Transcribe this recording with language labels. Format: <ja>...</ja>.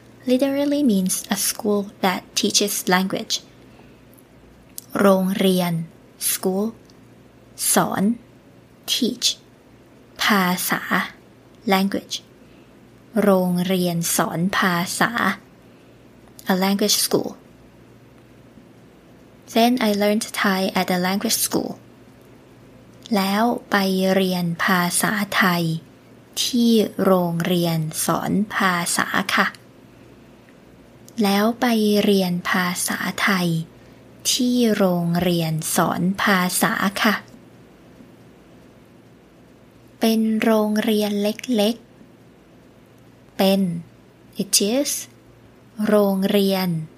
<en>literally means a school that teaches language</en> <th>โรงเรียน</th> <en>school</en> <th>สอน</th> <en>teach</en> <th>ภาษา</th> <en>language</en> <th>โรงเรียนสอนภาษา</th> <en>a language school then I learned Thai at a language school</en> <th>แล้วไปเรียนภาษาไทยที่โรงเรียนสอนภาษาค่ะแล้วไปเรียนภาษาไทยที่โรงเรียนสอนภาษาค่ะเป็นโรงเรียนเล็กๆเป็น</th> <en>it is</en> <th>โรงเรียน</th>